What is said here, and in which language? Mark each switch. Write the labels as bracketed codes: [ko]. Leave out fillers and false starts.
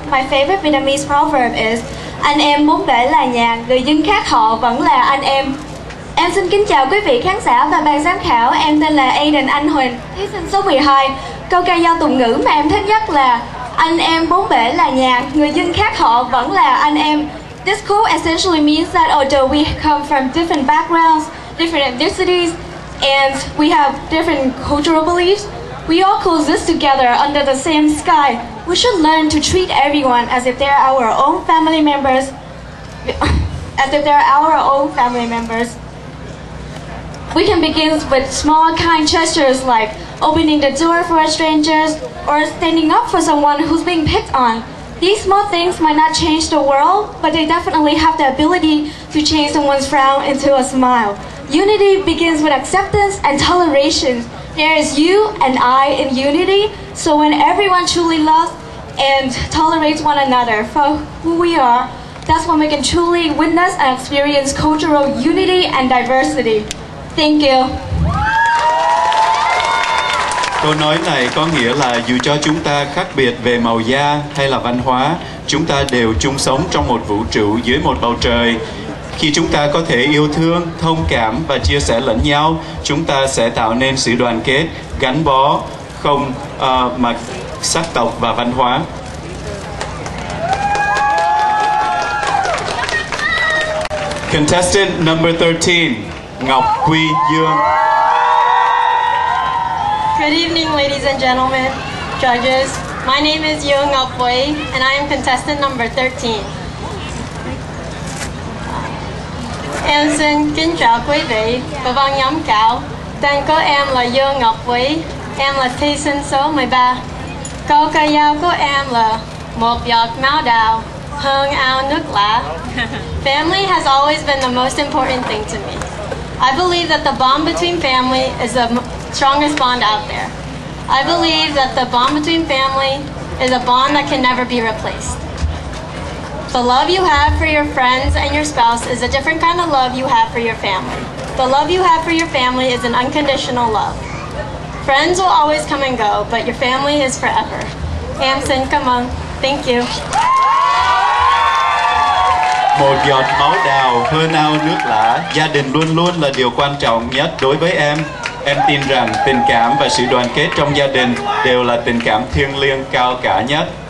[en] My favorite Vietnamese proverb is [vi] anh em muốn để là nhà, người dân khác họ vẫn là anh em. Em xin kính chào quý vị khán giả và ban giám khảo. Em tên là Aiden Nguyen, thí sinh số 12. Câu ca dao tục ngữ mà em thích nhất là anh em bốn bể là nhà, người dân khác họ vẫn là anh em. [en] This quote essentially means that although we come from different backgrounds, different ethnicities, and we have different cultural beliefs, we all coexist together under the same sky. We should learn to treat everyone as if they are our own family members. As if they are our own family members. We can begin with small kind gestures like opening the door for strangers or standing up for someone who's being picked on. These small things might not change the world, but they definitely have the ability to change someone's frown into a smile. Unity begins with acceptance and toleration. There is you and I in unity, so when everyone truly loves and tolerates one another for who we are, that's when we can truly witness and experience cultural unity and diversity. Thank you. [vi] Câu nói này có nghĩa là dù cho chúng ta khác biệt về màu da hay là văn hóa, chúng ta đều chung sống trong một vũ trụ dưới một bầu trời. Khi chúng ta có thể yêu thương, thông cảm và chia sẻ lẫn nhau, chúng ta sẽ tạo nên sự đoàn kết, gắn bó, không mà sắc tộc và văn hóa. [en] Contestant number 13, Ngọc Quy Dương. Good evening, ladies and gentlemen, judges. My name is Dương Ngọc Quy, and I am contestant number 13. [vi] Em xin kính chào quý vị và ban giám khảo. Tên của em là Dương Ngọc Quy. Em là thí sinh số 13. Câu ca dao của em là một giọt máu đào hơn ao nước lã. [en] Family has always been the most important thing to me. I believe that the bond between family is the strongest bond out there. I believe that the bond between family is a bond that can never be replaced. The love you have for your friends and your spouse is a different kind of love you have for your family. The love you have for your family is an unconditional love. Friends will always come and go, but your family is forever. Amson, come on. Thank you. [vi] Một giọt máu đào hơn ao nước lã, gia đình luôn luôn là điều quan trọng nhất đối với em. Em tin rằng tình cảm và sự đoàn kết trong gia đình đều là tình cảm thiêng liêng cao cả nhất.